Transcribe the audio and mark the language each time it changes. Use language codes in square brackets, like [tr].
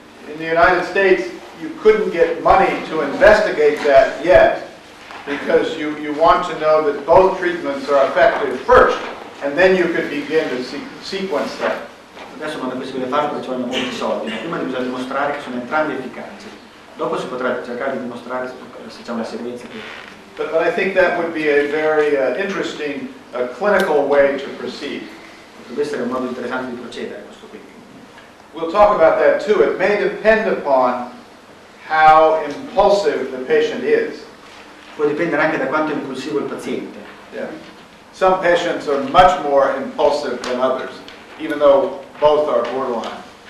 [en] In the United States, you couldn't get money to investigate that yet. Because you want to know that both treatments are effective first, and then you can begin to sequence them. [it] Adesso non è possibile farlo perché ci vogliono molti soldi. Prima bisogna dimostrare che sono entrambi efficaci. Dopo si potrà cercare di dimostrare se c'è una sequenza. [en] But I think that would be a very interesting clinical way to proceed. [it] Potrebbe essere un modo interessante di procedere questo qui. [en] We'll talk about that too. It may depend upon how impulsive the patient is. [it] Può dipendere anche da quanto è impulsivo il paziente. [en] Yeah. Some patients are much more impulsive than others, even though both are borderline.